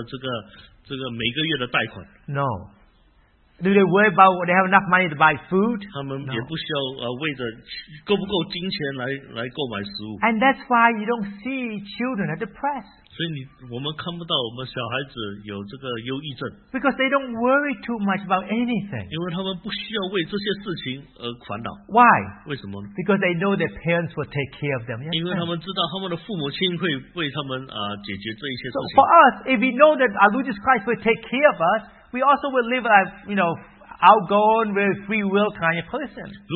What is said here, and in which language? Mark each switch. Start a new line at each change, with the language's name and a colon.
Chinese: 他们也不需要烦恼他们的这个每个月的贷款。
English: No. Do they worry about they have enough money to buy food?
Chinese: 他们也不需要为着够不够金钱来购买食物。
English: And that's why you don't see children are depressed.
Chinese: 所以我们看不到我们小孩子有这个忧郁症。
English: Because they don't worry too much about anything.
Chinese: 因为他们不需要为这些事情而烦恼。
English: Why?
Chinese: 为什么呢?
English: Because they know their parents will take care of them.
Chinese: 因为他们知道他们的父母亲会为他们解决这一些事情。
English: So for us, if we know that our Lord Jesus Christ will take care of us, we also will live a, you know, outgoing, very free will kind of person.